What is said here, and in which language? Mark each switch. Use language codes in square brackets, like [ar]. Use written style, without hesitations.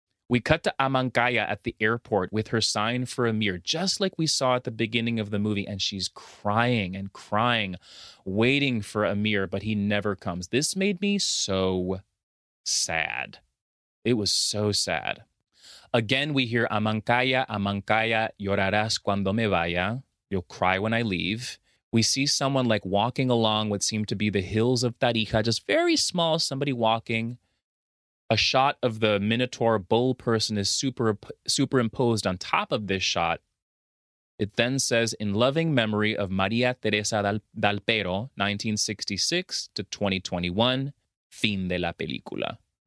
[en] We cut to Amancaya at the airport with her sign for Amir, just like we saw at the beginning of the movie. And she's crying and crying, waiting for Amir, but he never comes. This made me so sad. It was so sad. again, we hear [es] Amancaya, Amancaya, llorarás cuando me vaya. [en] You'll cry when I leave. We see someone like walking along what seemed to be the hills of Tarija, just very small, somebody walking. A shot of the minotaur bull person is superimposed on top of this shot. It then says, in loving memory of Maria Teresa Dalpero, 1966 to 2021, [es] fin de la película.